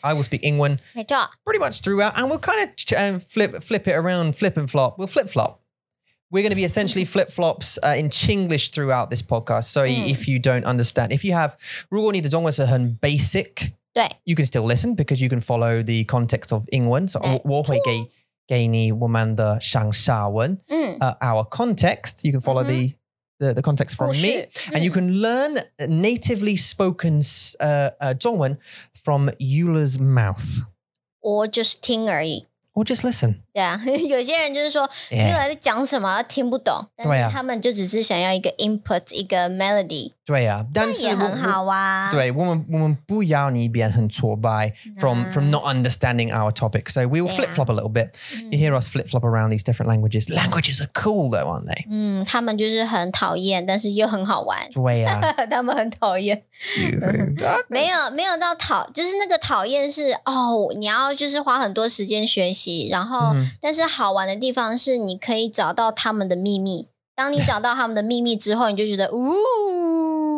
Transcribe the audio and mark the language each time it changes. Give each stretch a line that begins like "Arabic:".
English: I will speak Ingwen pretty much throughout. And we'll kind of flip it around, flip and flop. We'll flip flop. We're going to be essentially flip flops、in Chinglish throughout this podcast. So、if you don't understand, if you have,
Chinese: 如果你的中文是很
English: basic,
Chinese: 对
English: you can still listen because you can follow the context of Ingwen. So
Chinese: 我会给给你我们的上下文、嗯
English: our context, you can follow、mm-hmm. the context from me,、嗯、and you can learn natively spoken 中文 from Eula's mouth. Or just
Chinese: 听而已。
English: Or just listen. Yeah,
Chinese: 有些人就是说 Eula 在讲什么听不懂但是他们就只是想要一个 input, 一个 melody. 对啊但是这也很好啊。对我们不要你变很挫败
English: from not understanding our topic. So we will flip-flop a little bit.、嗯、you hear us flip-flop around these different languages. Languages are cool though, aren't they?
Chinese: 嗯他们就是很讨厌但是又很好玩。对啊他们很讨厌。没有到讨就是那个讨厌是哦你要就是花很多时间学习。然后、嗯、但是好玩的地方是你可以找到他们的秘密当你找到他们的秘密之后你就觉得呜、